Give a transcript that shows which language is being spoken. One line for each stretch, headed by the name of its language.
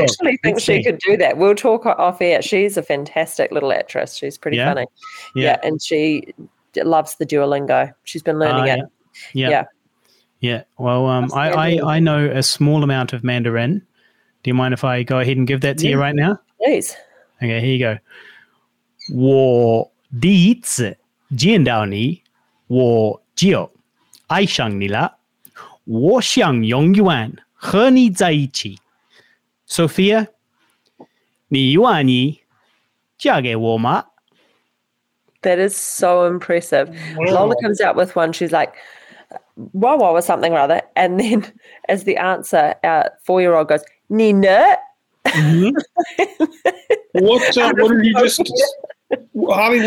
English: I actually think she could do that. We'll talk off air. She's a fantastic little actress. She's pretty funny. Yeah, and she loves the Duolingo. She's been learning it. Yeah. Well, I know a small amount of Mandarin. Do you mind if I go ahead and give that to you right now? Please. Okay, here you go.
Chinese: 我第一次 见到你，我就爱上你了。我想永远和你在一起。 Sophia, 你愿意嫁给我吗？
English: That is so impressive. Wow. Lola comes out with one. She's like, "Wow, wow," or something rather. And then, as the answer, our four-year-old goes, "Nina." What did you just, Harley?